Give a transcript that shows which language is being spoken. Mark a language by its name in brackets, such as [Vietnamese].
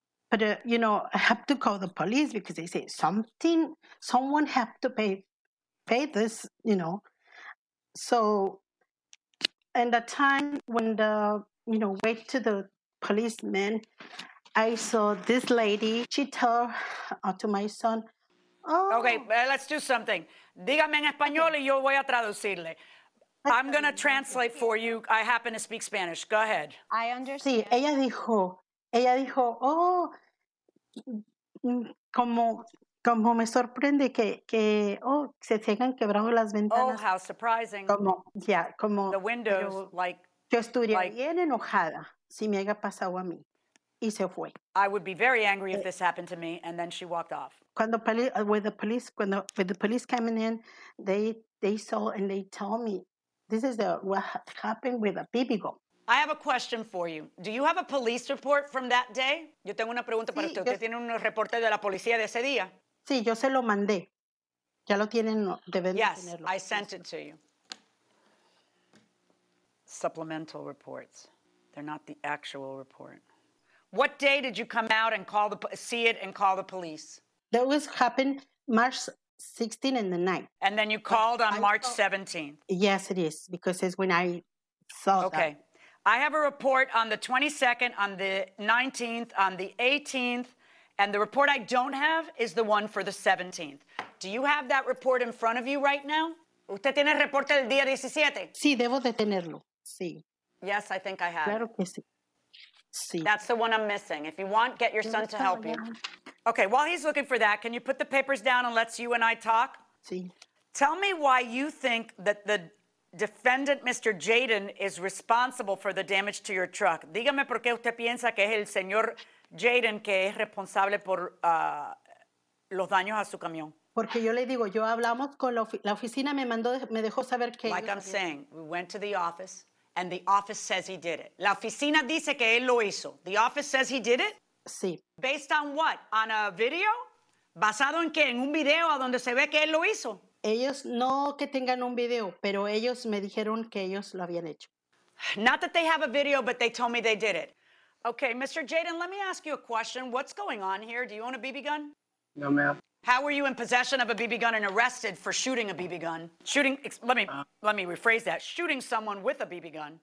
[English] But, you know, I have to call the police because they say someone have to pay this, you know. So, and the time when the, you know, wait to the policeman, I saw this lady, she tell to my son, oh. Okay, let's do something. [Spanish] Dígame en español y yo voy a traducirle. [English] I'm going to translate for you. I happen to speak Spanish. Go ahead. I understand. [Spanish] Sí, ella dijo, oh, como me sorprende que oh, se tengan quebrado las ventanas. [English] Oh, how surprising. [Spanish] Como. [English] The windows, [Spanish] yo estuviera bien enojada si me haya pasado a mí. Y se fue. [English] I would be very angry if this happened to me, and then she walked off. When the police came in, they saw and they told me, this is what happened with a BB gun. I have a question for you. Do you have a police report from that day? [Spanish] Yo tengo una pregunta para usted. ¿Usted tiene un reporte de la policía de ese día? Sí, yo se lo mandé. Ya lo tienen, deben tenerlo. [English] Yes, I sent it to you. Supplemental reports. They're not the actual report. What day did you come out and call the police? That was happened March 16 in the night. And then you called on March 17th. Yes, it is, because it's when I saw that. Okay. I have a report on the 22nd, on the 19th, on the 18th, and the report I don't have is the one for the 17th. Do you have that report in front of you right now? [Spanish] ¿Usted tiene el reporte del día 17? Sí, debo de tenerlo, sí. [English] Yes, I think I have. [Spanish] Claro que sí. Sí. [English] That's the one I'm missing. If you want, get your son to help you. Okay, while he's looking for that, can you put the papers down and let's you and I talk? [Spanish] Sí. [English] Tell me why you think that the defendant, Mr. Jaden, is responsible for the damage to your truck. [Spanish] Dígame por qué usted piensa que es el señor Jaden que es responsable por los daños a su camión. Porque yo le digo, yo hablamos con la oficina, me dejó saber que... [English] Like I'm saying, we went to the office. And the office says he did it. [Spanish] La oficina dice que él lo hizo. [English] The office says he did it? [Spanish] Sí. [English] Based on what? On a video? [Spanish] ¿Basado en qué? En un video a donde se ve que él lo hizo. Ellos no que tengan un video, pero ellos me dijeron que ellos lo habían hecho. [English] Not that they have a video, but they told me they did it. Okay, Mr. Jaden, let me ask you a question. What's going on here? Do you own a BB gun? No, ma'am. How were you in possession of a BB gun and arrested for shooting a BB gun? Let me rephrase that. Shooting someone with a BB gun.